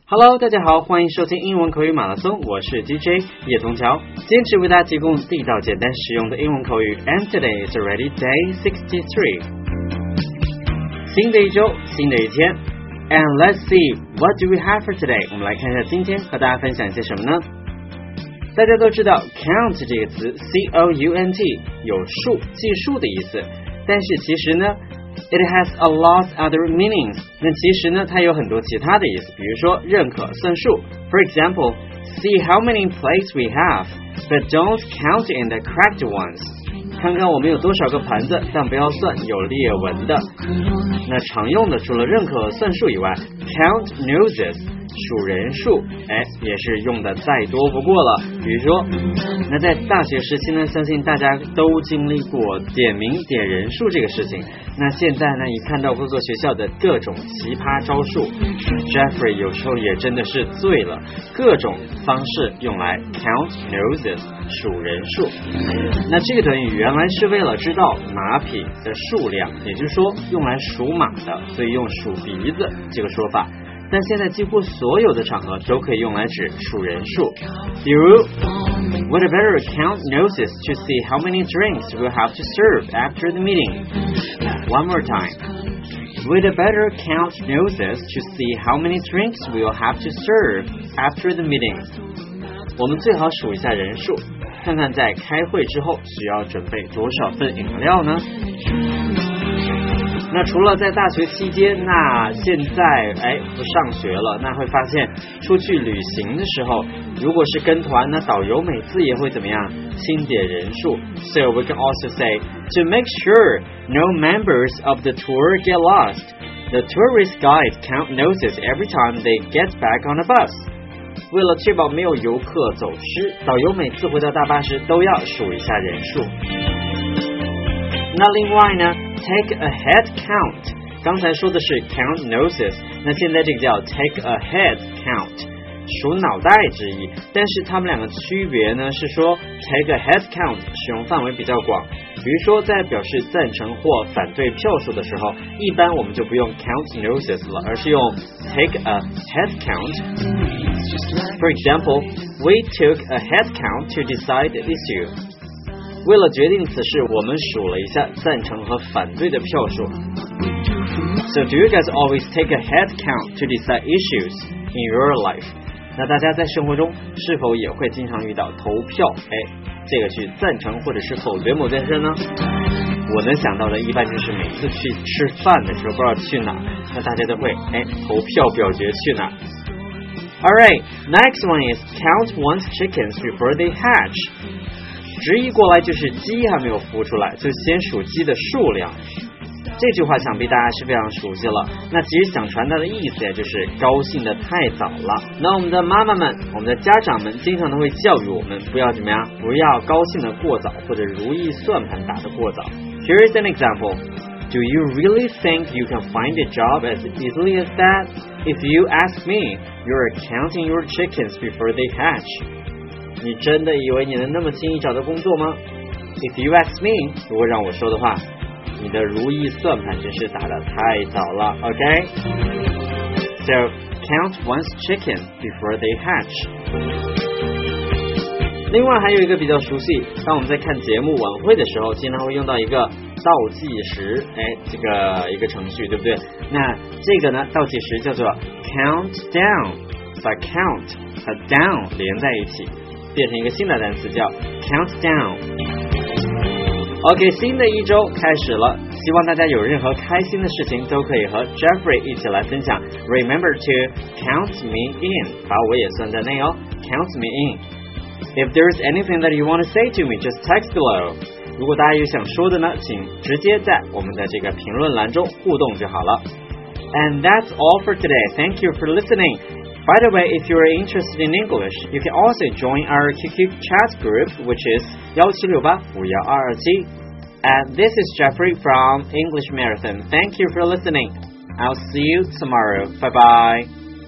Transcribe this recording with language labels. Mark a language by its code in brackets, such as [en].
[zh] Hello, 大家好，欢迎收听英文口语马拉松。我是 DJ 叶童桥，坚持为大家提供地道、简单、实用的英文口语。 [en] And today is already day 63. [zh] 新的一周，新的一天。 [en] And let's see, what do we have for today? [zh] 我们来看一下今天和大家分享一些什么呢？大家都知道 count 这个词 C-O-U-N-T 有数、计数的意思，但是其实呢 [en] It has a lot of other meanings. [zh] 那其实呢，它有很多其他的意思。比如说，认可、算数。 [en] For example, see how many plates we have, but don't count in the correct ones. [zh] 看看我们有多少个盘子，但不要算有裂纹的。那常用的除了认可、算数以外 ，count noses 数人数，哎，也是用的再多不过了。比如说，那在大学时期呢，相信大家都经历过点名点人数这个事情。那现在呢，一看到各个学校的各种奇葩招数 ，Jeffrey 有时候也真的是醉了。各种方式用来 count noses 数人数。那这个短语原来是为了知道马匹的数量，也就是说用来数马的，所以用数鼻子这个说法。但现在几乎所有的场合都可以用来指数人数，比如 [en] ，We'd better count noses to see how many drinks we'll have to serve after the meeting. One more time. We'd better count noses to see how many drinks we'll have to serve after the meeting. [zh] 我们最好数一下人数，看看在开会之后需要准备多少份饮料呢？那除了在大学期间，那现在哎不上学了，那会发现出去旅行的时候，如果是跟团，那导游每次也会怎么样？清点人数。 [en] So we can also say to make sure no members of the tour get lost. The tourist guide count noses every time they get back on the bus. [zh] 为了确保没有游客走失，导游每次回到大巴时都要数一下人数。那另外呢？ [en] Take a head count. [zh] 刚才说的是 count noses. 那现在这个叫 take a head count. 数脑袋之意。但是他们两个区别呢是说 take a head count 使用范围比较广。比如说在表示赞成或反对票数的时候，一般我们就不用 count noses 了，而是用 take a head count. [en] For example, we took a head count to decide the issue. [zh] 为了决定此事，我们数了一下赞成和反对的票数。 [en] So do you guys always take a head count to decide issues in your life? [zh] 那大家在生活中是否也会经常遇到投票？哎，这个去赞成或者是否决某件事呢？我能想到的一般就是每次去吃饭的时候，不知道去哪，那大家都会哎投票表决去哪。 [en] All right, next one is count one's chickens before they hatch. [zh] 直译过来就是鸡还没有孵出来，就先数鸡的数量。这句话想必大家是非常熟悉了。那其实想传达的意思就是高兴的太早了。那我们的妈妈们，我们的家长们经常都会教育我们不要怎么样，不要高兴的过早，或者如意算盘打得过早。 [en] Here is an example. Do you really think you can find a job as easily as that? If you ask me, you're counting your chickens before they hatch. [zh] 你真的以为你能那么轻易找到工作吗 ？ [en] If you ask me， [zh] 如果让我说的话，你的如意算盘真是打得太早了。 [en] OK， so count one's chicken before they hatch。 [zh] 另外还有一个比较熟悉，当我们在看节目晚会的时候，经常会用到一个倒计时，哎，这个一个程序，对不对？那这个呢，倒计时叫做 countdown， 把 count 和 down 连在一起。变成一个新的单词叫 countdown。OK， 新的一周开始了，希望大家有任何开心的事情都可以和 Jeffrey 一起来分享。 [en] Remember to count me in， [zh] 把我也算在内哦。 [en] Count me in。 If there's anything that you want to say to me, just text below。 [zh] 如果大家有想说的呢，请直接在我们的这个评论栏中互动就好了。 [en] And that's all for today. Thank you for listening. By the way, if you are interested in English, you can also join our QQ chat group, which is 1768-51227. And this is Jeffrey from English Marathon. Thank you for listening. I'll see you tomorrow. Bye-bye.